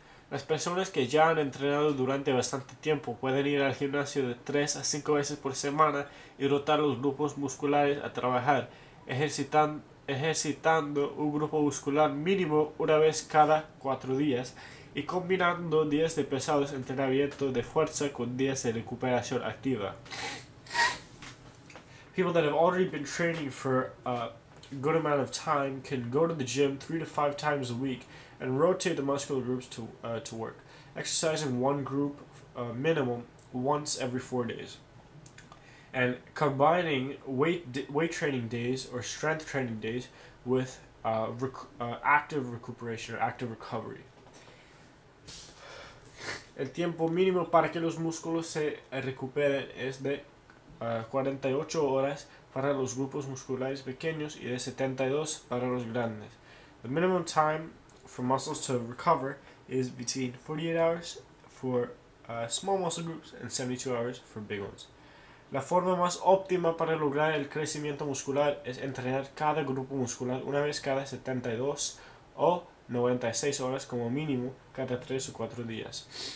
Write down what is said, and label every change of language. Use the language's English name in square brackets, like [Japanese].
[Spanish] Las personas que ya han entrenado durante bastante tiempo pueden ir al gimnasio de 3 a 5 veces por semana y rotar los grupos musculares a trabajar, ejercitando un grupo muscular mínimo una vez cada 4 días y combinando días de pesados entrenamientos de fuerza con días de recuperación activa. [English] People that have already been training for a good amount of time can go to the gym 3 to 5 times a week and rotate the muscular groups to work, exercising one group minimum once every 4 days. And combining weight training days or strength training days with active recuperation or active recovery. [Spanish] El tiempo mínimo para que los músculos se recuperen es de 48 horas para los grupos musculares pequeños y de 72 para los grandes. [English] The minimum time for muscles to recover is between 48 hours for small muscle groups and 72 hours for big ones. [Spanish] La forma más óptima para lograr el crecimiento muscular es entrenar cada grupo muscular una vez cada 72 o 96 horas como mínimo cada 3 o 4 días.